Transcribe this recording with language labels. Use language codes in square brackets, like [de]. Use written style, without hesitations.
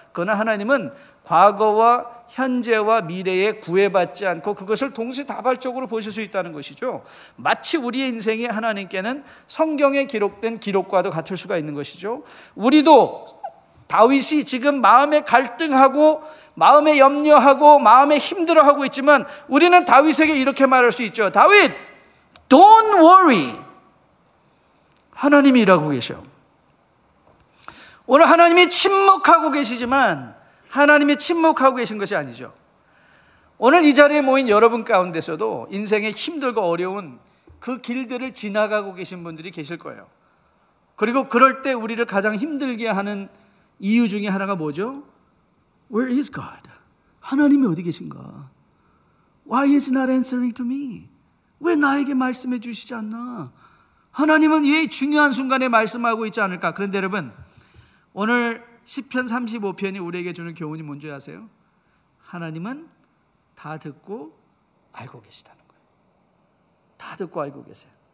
[ko] 그러나 하나님은 과거와 현재와 미래에 구애받지 않고 그것을 동시 다발적으로 보실 수 있다는 것이죠. 마치 우리의 인생이 하나님께는 성경에 기록된 기록과도 같을 수가 있는 것이죠. 우리도 다윗이 지금 마음에 갈등하고 마음에 염려하고 마음에 힘들어하고 있지만 우리는 다윗에게 이렇게 말할 수 있죠. [en] 다윗, don't worry. [ko] 하나님이 일하고 계셔. 오늘 하나님이 침묵하고 계시지만 하나님이 침묵하고 계신 것이 아니죠. 오늘 이 자리에 모인 여러분 가운데서도 인생의 힘들고 어려운 그 길들을 지나가고 계신 분들이 계실 거예요. 그리고 그럴 때 우리를 가장 힘들게 하는 이유 중에 하나가 뭐죠? [en] Where is God? [ko] 하나님이 어디 계신가? [en] Why is not answering to me? [ko] 왜 나에게 말씀해 주시지 않나? 하나님은 이 중요한 순간에 말씀하고 있지 않을까? 그런데 여러분, 오늘 시편 35편이 우리에게 주는 교훈이 뭔지 아세요? 하나님은 다 듣고 알고 계시다는 거예요. 다 듣고 알고 계세요.